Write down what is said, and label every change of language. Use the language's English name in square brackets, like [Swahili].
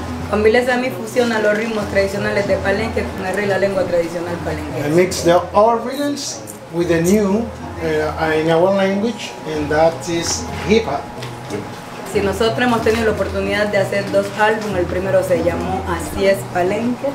[Spanish] Con miles de mí fusiona los ritmos tradicionales de Palenque con la lengua tradicional palenquera. [English] I mix the old rhythms with the new in our language, and that is hip hop. [Spanish] Si nosotros hemos tenido la oportunidad de hacer dos álbumes, el primero se llamó Así es Palenque.